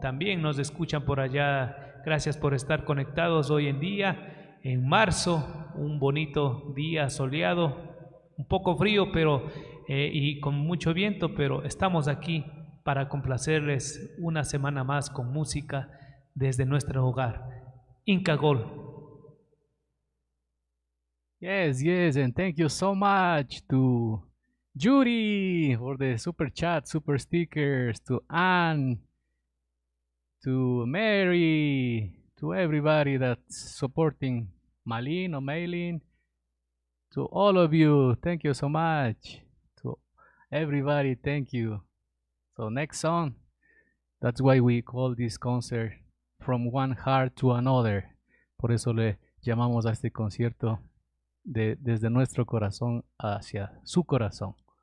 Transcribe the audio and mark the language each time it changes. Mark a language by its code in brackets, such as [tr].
[es] También nos escuchan por allá. Gracias por estar conectados hoy en día. En marzo, un bonito día soleado, un poco frío, pero y con mucho viento, pero estamos aquí para complacerles una semana más con música desde nuestro hogar. Inca Gol. [en] Yes, yes, and thank you so much to Judy for the super chat, super stickers, to Anne, to Mary, to everybody that's supporting Malin or Maylin, to all of you, thank you so much. To everybody, thank you. So next song, that's why we call this concert From One Heart to Another. [es] Por eso le llamamos a este concierto desde nuestro corazón hacia su corazón.